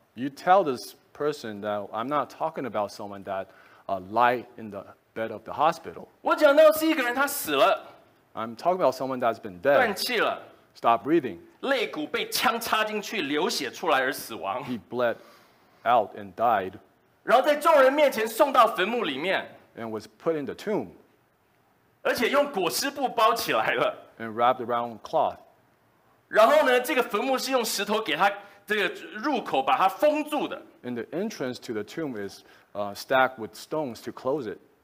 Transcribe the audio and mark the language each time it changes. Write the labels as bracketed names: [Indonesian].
[English] You tell this person that I'm not talking about someone that lie in the bed of the hospital. [Chinese] 我讲的是一个人他死了。 [English] I'm talking about someone that's been dead. [Chinese] 断气了。 [English] Stop breathing. [Chinese] 肋骨被枪插进去流血出来而死亡。 [English] He bled out and died. [Chinese] 然后在众人面前送到坟墓里面。 [English] And was put in the tomb. [Chinese] 而且用裹尸布包起来了。 [English] And wrapped around cloth. [Chinese] 然后呢,这个坟墓是用石头给他这个入口把它封住的。 [English] And the entrance to the tomb is stacked with stones to close it.